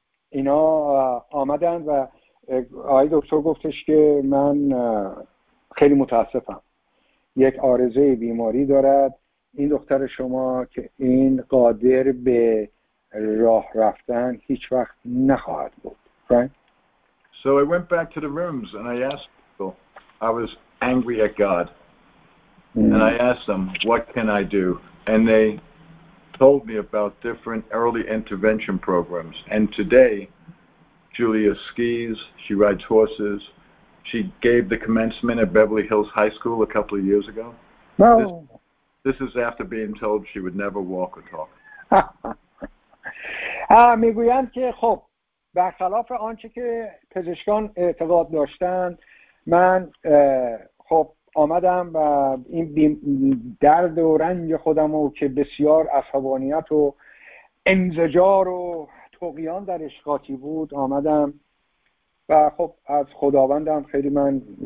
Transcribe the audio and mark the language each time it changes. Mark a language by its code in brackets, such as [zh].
[fa] اینا آمدن و آقای دکتر گفتش که من خیلی متاسفم یک عارضه بیماری دارد این دختر شما که این قادر به راه رفتن هیچ وقت نخواهد بود. [en] Frank. So I went back to the rooms and I asked people. I was angry at God. And I asked them, what can I do? And they told me about different early intervention programs. And today, Julia skis, she rides horses. She gave the commencement at Beverly Hills High School a couple of years ago. No. This is after being told she would never walk or talk. [fa] میگویند که خب برخلاف آنچه که پزشکان اعتقاد داشتند من خب آمدم و این درد و رنج خودم رو که بسیار عصبانیت و انزجار و طغیان در اشقاطی بود آمدم و خب از خداوندم خیلی من